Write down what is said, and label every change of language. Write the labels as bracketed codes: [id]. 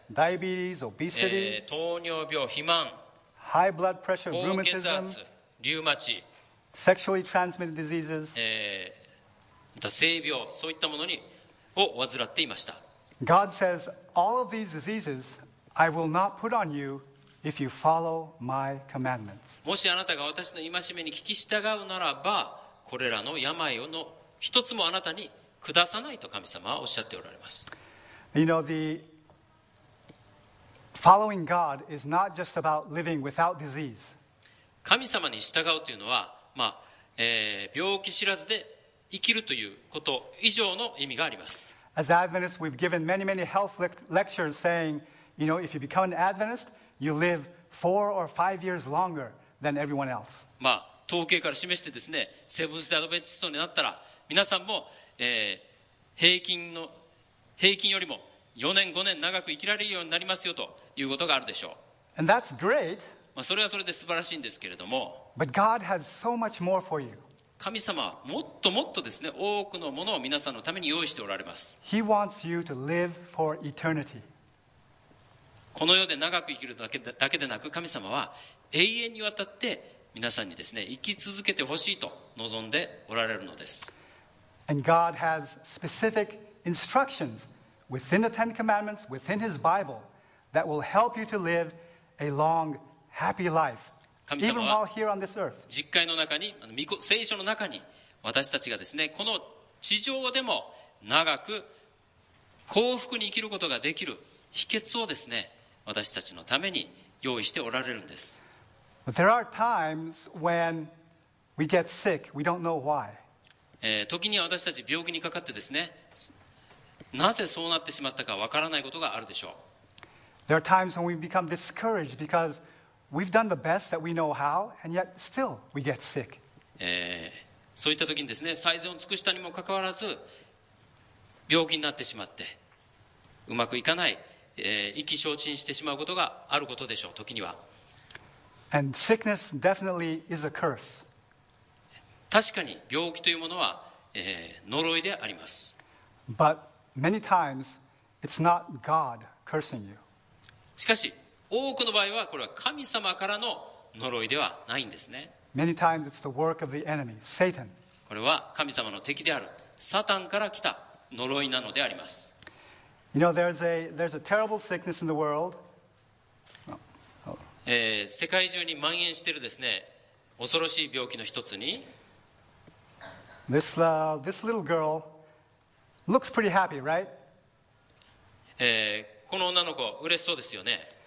[en] diabetes, obesity, [ja] 糖尿病、肥満。 [en] High blood pressure, [ja] 高血圧、リウマチ、 [en] sexually transmitted diseases, [ja] 性病、そういったものにを患っていました。 [en] God says, all of these diseases I will not put on you if you follow my commandments. [ja] もしあなたが私の戒めに聞き従うならば、これらの病をの一つもあなたに下さないと神様はおっしゃっておられます。 [en] You know, the Following God is not just about living without disease. [ja] 神様に従うというのは、まあ病気知らずで生きるということ以上の意味があります。 [en] As Adventists, we've given many, many health lectures saying, you know, if you become an Adventist, you live 4 or 5 years longer than everyone else. [ja] まあ統計から示してですね、セブンス・デイ・アドベンチストになったら、皆さんも、平均よりも4年5年長く生きられるようになりますよということがあるでしょう。 [en] And that's great. [ja] まあそれはそれで素晴らしいんですけれども。 [en] But God has so much more for you. [ja] 神様はもっともっとですね、多くのものを皆さんのために用意しておられます。 [en] He wants you to live for eternity. [ja] この世で長く生きるだけでなく、神様は永遠にわたって皆さんにですね、生き続けてほしいと望んでおられるのです。 [en] And God has specific instructions within the Ten Commandments, within His Bible, that will help you to live a long, happy life. [ja] 神様は実会の中に、聖書の中に、私たちがですね、この地上でも長く幸福に生きることができる秘訣をですね、私たちのために用意しておられるんです。 [en] There are times when we get sick, we don't know why. [ja] 時には私たち病気にかかってですね、なぜそうなってしまったかわからないことがあるでしょう。 [en] There are times when we become discouraged becauseWe've done the best that we know how, and yet still we get sick. [ja] そういった時にですね、最善を尽くしたにもかかわらず病気になってしまって、うまくいかない、意気消沈してしまうことがあることでしょう、時には。 [en] And sickness definitely is a curse. [ja] 確かに病気というものは、呪いであります。 [en] But many times it's not God cursing you. [ja] しかし、多くの場合はこれは神様からの呪いではないんですね。 [en] Many times it's the work of the enemy, Satan. [ja] これは神様の敵であるサタンから来た呪いなのであります。 [en] You know, there's a terrible sickness in the world. [ja] 世界中に蔓延しているですね、恐ろしい病気の一つに。 [en] This little girl looks pretty happy, right? [ja] この女の子、嬉しそうですよね。